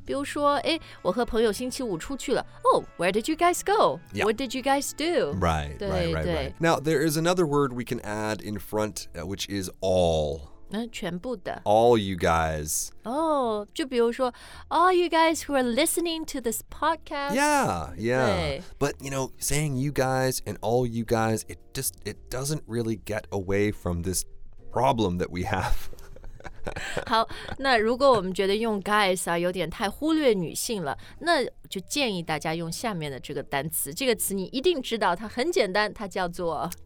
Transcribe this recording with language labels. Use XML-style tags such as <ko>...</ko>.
<zh>比如说，我和朋友星期五出去了。</zh> <en>Oh, where did you guys go? Yeah. What did you guys do? Right. Now, there is another word we can add in front, which is all.</en> <zh>全部的。</zh> <en>All you guys. Oh,</en> <zh>就比如说</zh> <en>all you guys who are listening to this podcast. Yeah, yeah. But, you know, saying you guys and all you guys, it just, it doesn't really get away from this problem that we have.</en> <zh>好，那如果我们觉得用 guys 啊有点太忽略女性了，那就建议大家用下面的这个单词。这个词你一定知道，它很简单，它叫做</zh>